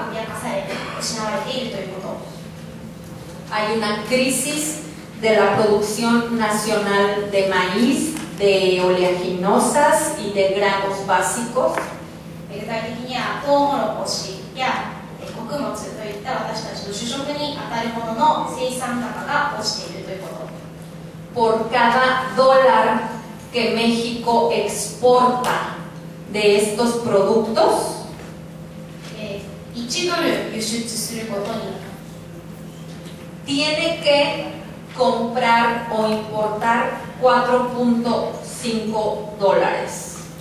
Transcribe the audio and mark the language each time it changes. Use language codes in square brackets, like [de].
[ja] 先ほど申しましたように特にトウモロコシ大打撃を受けたようにメキシコの食の資源が脅かされて失われているということ [es] hay una crisis de la producción nacional de maíz, de oleaginosas y de granos básicos. [ja] 具体的にはトウモロコシや穀物といった私たちの主食に当たるものの生産高が落ちているということ [es] por cada dólar que México exporta de estos productos [ja] 1ドル輸出することに [es] tiene que comprar o importar 4.5 dólares.